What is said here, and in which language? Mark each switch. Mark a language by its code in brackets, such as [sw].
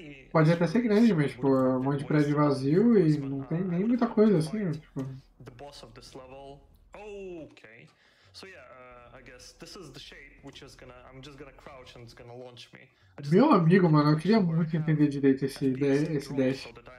[pt] Pode até ser grande, mas, tipo, um monte de prédio vazio e não tem nem muita coisa assim, tipo. [en] The boss of this level. Oh, okay. So yeah, I guess this is the shape which is gonna, I'm just gonna crouch and it's gonna launch me. [pt] Meu amigo, mano, eu queria muito entender direito esse dash.